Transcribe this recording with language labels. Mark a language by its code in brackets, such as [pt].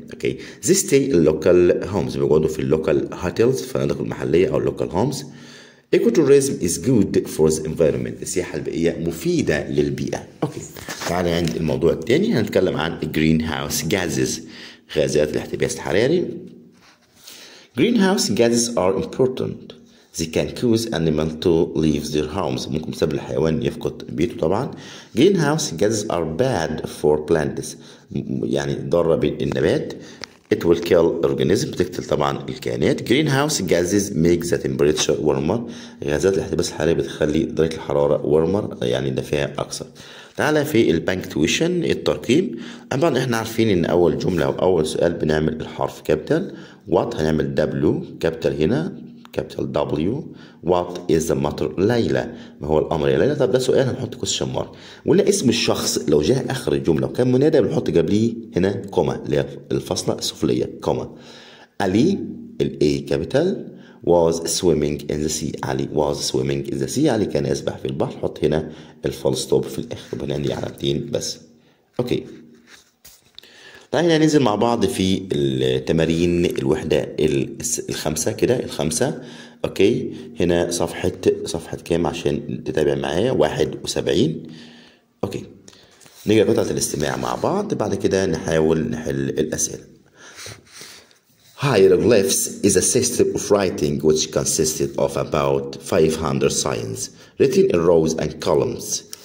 [en] okay, they stay in local homes، [ar] بيقعدوا في [en] local hotels، [ar] فنادق المحلية أو [en] local homes. Ecotourism is good for the environment. [ar] السياحة البيئية مفيدة للبيئة. أوكي، تعالى عند الموضوع الثاني، هنتكلم عن [en] greenhouse gases، [ar] غازات الاحتباس الحراري. [en] Greenhouse gases are important. They can cause animals to leave their homes. [ar] ممكن سبب الحيوان يفقد بيته طبعا. [en] Greenhouse gases are bad for plants. [ar] يعني ضارة بالنبات. [en] It will kill organisms. [ar] بتقتل طبعا الكائنات. [en] Greenhouse gases make the temperature warmer. [ar] غازات الاحتباس الحراري بتخلي درجة الحرارة warmer يعني دفاية أكثر. تعالى في البانكتويشن الترقيم. طبعا احنا عارفين ان اول جملة او اول سؤال بنعمل الحرف كابيتال. What هنعمل W كابيتال هنا. [en] Capital W. What is the matter [ar] ليلى؟ ما هو الأمر يا ليلى؟ طب ده سؤال، هنحط [en] question mark. [ar] قلنا اسم الشخص لو جاء آخر الجملة وكان منادى بنحط قبليه هنا كوما اللي هي الفصلة السفلية كوما. [en] علي الـ A capital was swimming in the sea. علي was swimming in the sea، [ar] علي كان يسبح في البحر. حط هنا الفول ستوب في الآخر، بنعني على الدين بس. أوكي، تعالى ننزل مع بعض في التمارين الوحدة الخمسة كده الخمسة. اوكي، هنا صفحة كام عشان تتابع معايا؟ 71. اوكي، نيجي قطعة الاستماع مع بعض، بعد كده نحاول نحل الأسئلة. [en] Hieroglyphs is a system of writing which consisted of about 500 signs written in rows and columns.